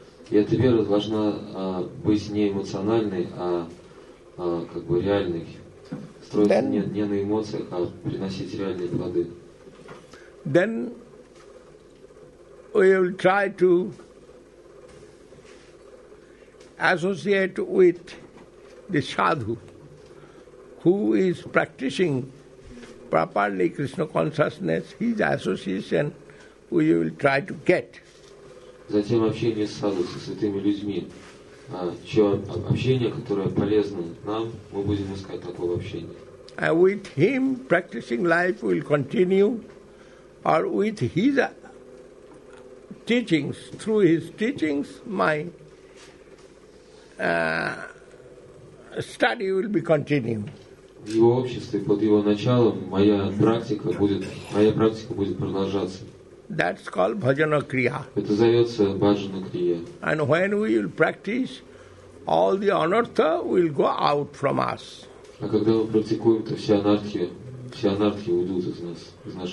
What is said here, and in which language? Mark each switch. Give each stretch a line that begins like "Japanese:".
Russian: И эта вера должна быть не эмоциональной, а как бы реальной. Строиться не на эмоциях, а приносить реальные плоды.
English: Then we will try to associate with the sadhu. Who is practicing properly Krishna consciousness, his association we will try to get.
Russian: Затем общение с саду, со святыми людьми, чье общение, которое полезно нам, мы будем искать такое общение.
English: And with him practicing life will continue, or with his teachings, through his teachings, my study will be continued.
Russian: В его обществе, под его началом, моя практика будет продолжаться.
English: That's called bhajana kriya.
Russian: Это зовется bhajana kriya.
English: And when we will practice, all the anartha will go out from us.
Russian: А когда мы практикуем, то все анартхи уйдут из нас.